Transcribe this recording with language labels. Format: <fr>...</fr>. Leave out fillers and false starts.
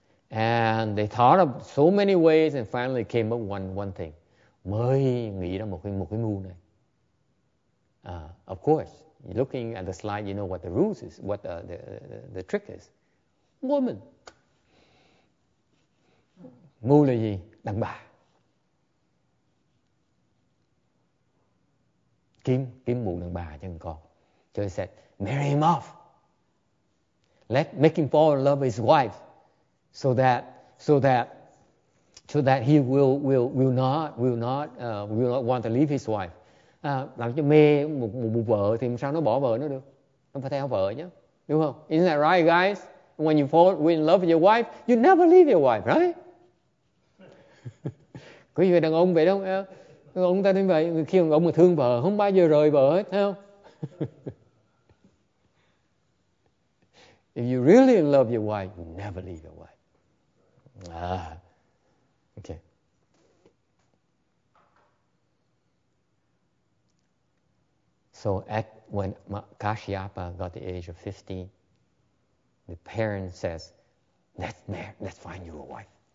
<en>And they thought of so many ways and finally came up one thing.</en> <vi>Mới nghĩ ra một cái mưu này.</vi> <en>Of course, looking at the slide, you know what the rules is, what the trick is. Woman.</en> <vi>Mưu là gì? Đàn bà. Kiếm mụ đàn bà cho con.</vi> <en>So he said, marry him off. Let make him fall in love with his wife. So that he will not want to leave his wife.</en> <vi>Làm cho mê một vợ thì sao nó bỏ vợ nó được? Nó phải theo vợ nhá. Đúng không?</vi> <en>Isn't that right, guys? When you fall in love with your wife, you never leave your wife, right?</en> <vi>Có gì đàn ông vậy đâu, ông ta nói vậy, khi ông mà thương vợ không bao giờ rời vợ hết, thấy không?</vi> <en>If you really love your wife, you never leave your wife. Okay. So when Kashyapa got the age of 15, the parent says, let's find you a wife.</en>